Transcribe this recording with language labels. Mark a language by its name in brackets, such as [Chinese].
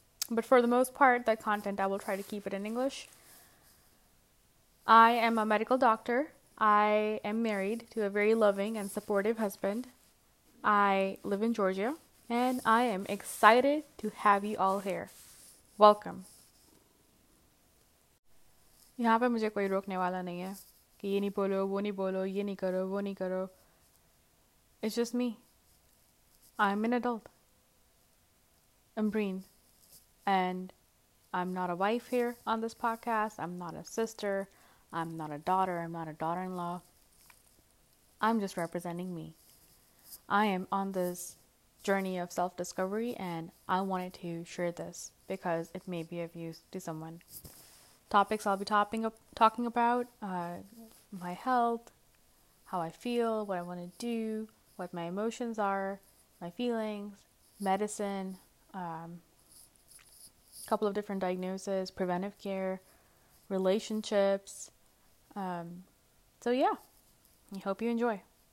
[English] But for the most part, the content, I will try to keep it in English. I am a medical doctor. I am married to a very loving and supportive husband. I live in Georgia and I am excited to have you all here. Welcome. [Hindi] यहाँ पे मुझे कोई रोकने वाला नहीं है. कि ये नहीं बोलो वो नहीं बोलो ये नहीं करो वो नहीं करो. [English] It's just me. I am an adult. I am Breen and I am not a wife here on this podcast. I am not a sister. I am not a daughter. I am not a daughter in law. I am just representing me. I am on this journey of self discovery and I wanted to share this because it may be of use to someone. Topics I'll be talking about, my health, how I feel, what I want to do, what my emotions are, my feelings, medicine, a couple of different diagnoses, preventive care, relationships. So yeah, I hope you enjoy.